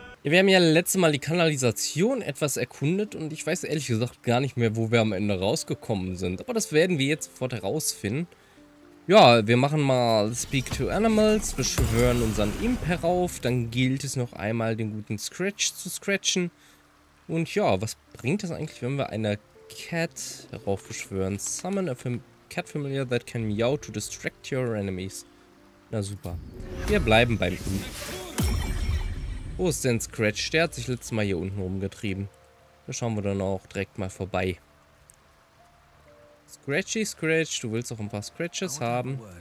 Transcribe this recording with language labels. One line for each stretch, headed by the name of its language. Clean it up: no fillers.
German: Wir haben ja letztes Mal die Kanalisation etwas erkundet und ich weiß ehrlich gesagt gar nicht mehr, wo wir am Ende rausgekommen sind. Aber das werden wir jetzt sofort herausfinden. Ja, wir machen mal Speak to Animals, beschwören unseren Imp herauf, dann gilt es noch einmal den guten Scratch zu scratchen. Und ja, was bringt das eigentlich, wenn wir eine Cat heraufbeschwören?
English: Summon a cat familiar that can meow to distract your enemies.
German: Na super. Wir bleiben beim Imp. Wo ist denn Scratch? Der hat sich letztes Mal hier unten rumgetrieben. Da schauen wir dann auch direkt mal vorbei. Scratchy Scratch, du willst doch ein paar Scratches haben.